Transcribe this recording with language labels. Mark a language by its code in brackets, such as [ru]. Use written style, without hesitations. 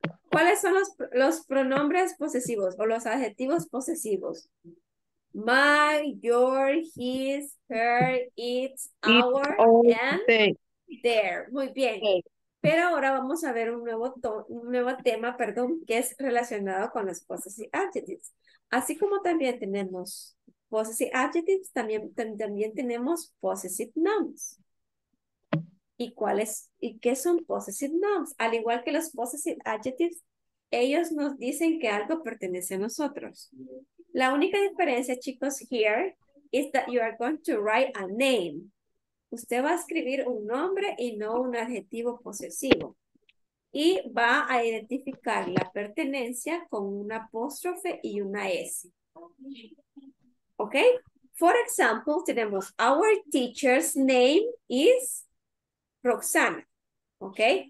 [es] ¿Cuáles son los pronombres posesivos o los adjetivos posesivos? [en] My, your, his, her, it's, our, and their. [es] Muy bien. Pero ahora vamos a ver un nuevo tema, que es relacionado con los possessive adjectives. Así como también tenemos possessive adjectives, también tenemos possessive nouns. ¿Y qué son possessive nouns? Al igual que los possessive adjectives, ellos nos dicen que algo pertenece a nosotros. La única diferencia, chicos, [en] here, is that you are going to write a name. [es] Usted va a escribir un nombre y no un adjetivo posesivo. Y va a identificar la pertenencia con una apóstrofe y una S. ¿Ok? [en] For example, tenemos our teacher's name is Roxana. ¿Ok?